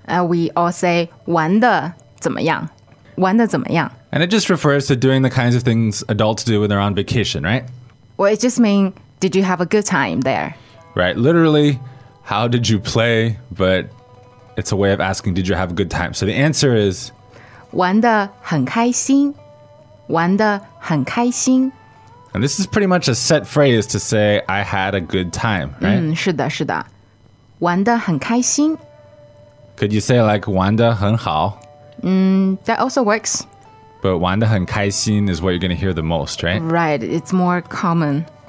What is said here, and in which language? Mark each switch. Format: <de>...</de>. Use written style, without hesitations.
<en>We all say</en> <zh>玩得怎么样?玩得怎么样?</zh> <en>And it just refers to doing the kinds of things adults do when they're on vacation, right? Well, it just means did you have a good time there? Right, literally, how did you play? But it's a way of asking did you have a good time? So the answer is</en> <zh>玩得很开心, 玩得很开心.</zh> <en>And this is pretty much a set phrase to say, I had a good time, right?</en> <zh>是的,是的.玩得很开心.</zh> <en>Could you say like</en> <zh>玩得很好?</zh> <en>That also works. But</en> <zh>玩得很开心</zh> <en>is what you're going to hear the most, right? Right, it's more common.</en>